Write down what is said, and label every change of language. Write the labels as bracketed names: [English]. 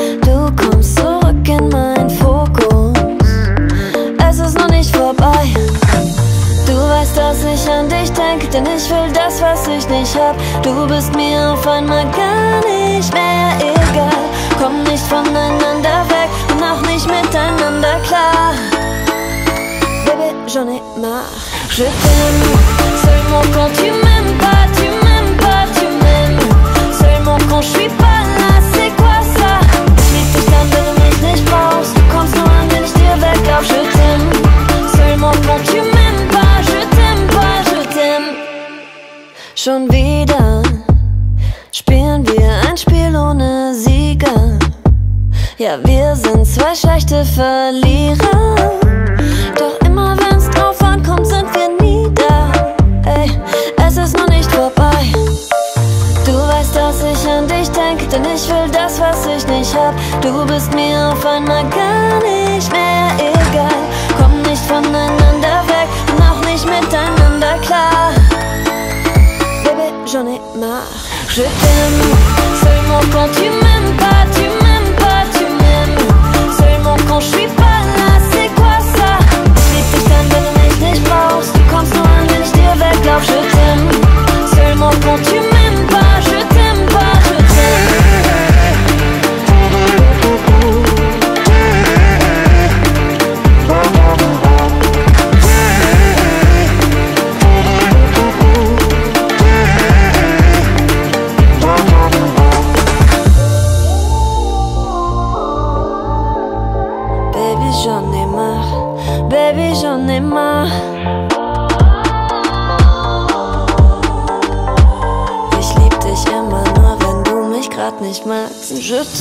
[German] Du kommst zurück in mein Fokus. Es ist noch nicht vorbei. Du weißt, dass ich an dich denke, denn ich will das, was ich nicht hab. Du bist mir auf einmal gar nicht mehr egal. Komm nicht voneinander weg und auch nicht miteinander klar. [French] Baby, j'en ai marre. Je t'aime, seulement quand tu m'aimes pas, tu m'aimes pas, tu m'aimes. Seulement quand je suis pas là, c'est quoi ça? Mais tout ça me donne [German] mich nicht raus. Du kommst nur an, wenn ich dir weg auf. [French] Je t'aime, seulement quand tu m'aimes pas, je t'aime pas, je t'aime. [German] Schon wieder spielen wir ein Spiel ohne Sieger. Ja, wir sind zwei schlechte Verlierer. Doch immer wenn's drauf ankommt, sind wir nie da. Ey, es ist noch nicht vorbei. Du weißt, dass ich an dich denke, denn ich will das, was ich nicht hab. Du bist mir auf einmal gar nicht mehr egal. Komm nicht voneinander weg und auch nicht miteinander klar. [French] Baby, j'en ai marre. Je t'aime, seulement quand tu m'aimes pas, tu m'aimes. Quand je suis pas là, c'est quoi ça? Mais tout ça me donne [German] mich nicht raus. Du kommst nur an, wenn ich dir weglaub. [French] Je t'aime, seulement quand tu m'aimes pas. Je t'aime pas, je t'aime. Je